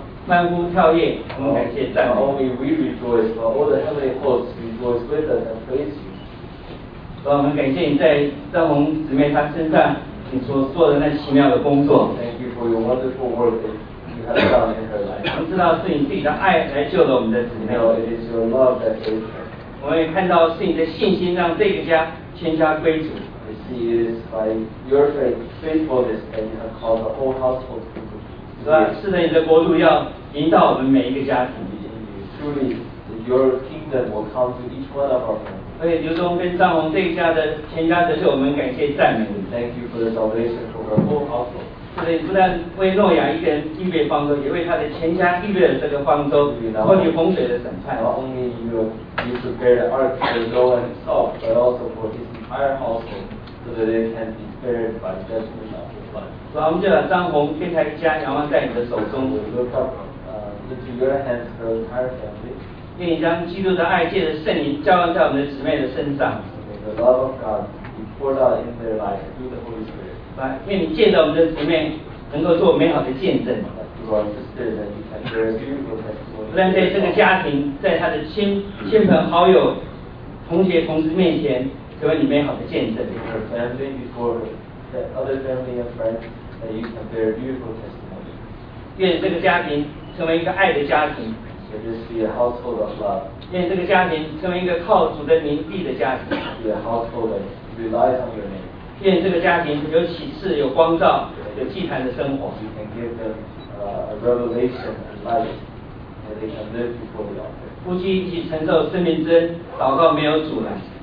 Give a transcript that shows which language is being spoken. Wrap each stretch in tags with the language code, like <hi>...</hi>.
<zh>欢呼跳跃，我们感谢赞美。</zh> <en>Oh, we rejoice, all the heavenly hosts rejoice with us and praise you.</en> <zh>我们感谢你在赞红姊妹她身上你所做的那奇妙的工作。</zh> <en>Thank you for your wonderful work that you have done in her life.</en> <zh>我们知道是你自己的爱来救了我们的姊妹。</zh> <en>No, it is your love that saved her.</en> <zh>我们也看到是你的信心让这个家全家归主。</zh> <en>I see it is by your faithfulness that you have called the whole household to be.</en> <zh>是的，你的国度要临到我们每一个家庭。</zh> <en>Truly, your kingdom will come to each one of our families.</en> <zh>所以刘忠跟张红这一家的全家，这是我们感谢赞美你。</zh> <en>Thank you for the salvation for her whole household.</en> <zh>是的，不但为诺亚一个人预备方舟，也为他的全家预备了这个方舟，脱离洪水的审判。</zh> <en>Not only you prepare the ark for Noah and his ark, but also for his entire household, so that they can be spared by judgment of the flood.</en> <zh>主啊，我们就把张红这台家仰望在你的手中。</zh> <en>Look up, into your hands, her entire family.</en> <zh>愿你将基督的爱借着圣灵浇灌在我们的姊妹的身上。</zh> <en>May the love of God be poured out in their life through the Holy Spirit.</en> <zh>啊，愿你借着我们的姊妹能够做美好的见证。</zh> <en>Through our sisters, that you can bear a beautiful testimony.</en> <zh>让在这个家庭，在他的亲朋好友、同学、同事面前，成为你美好的见证。</zh> <en>In her family before her. That other family and friends that you can bear beautiful testimony.</en> <zh>愿这个家庭成为一个爱的家庭。</zh> <en>May this be a household of love.</en> <zh>愿这个家庭成为一个靠主的名义的家庭。</zh> <en>Be a household that relies on your name.</en> <zh>愿这个家庭有启示、有光照、有祭坛的生活。</zh> <en>You can give them a revelation and light that they can live before the altar.</en> <zh>夫妻一起承受生命之恩，祷告没有阻拦。</zh>